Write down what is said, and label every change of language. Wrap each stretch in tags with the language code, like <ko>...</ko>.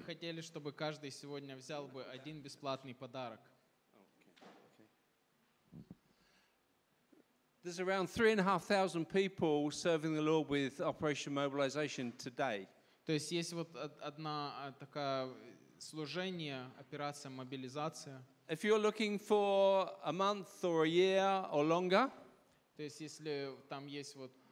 <ru>Мы бы хотели, чтобы каждый сегодня взял бы один бесплатный подарок.</ru> <en>There's around 3,500 people serving the Lord with Operation Mobilization today.</en> <ru>То есть есть вот одна такая служение, операция, мобилизация.</ru> <en>If you're looking for a month or a year or longer,</en> <ru>то есть если там есть вот</ru>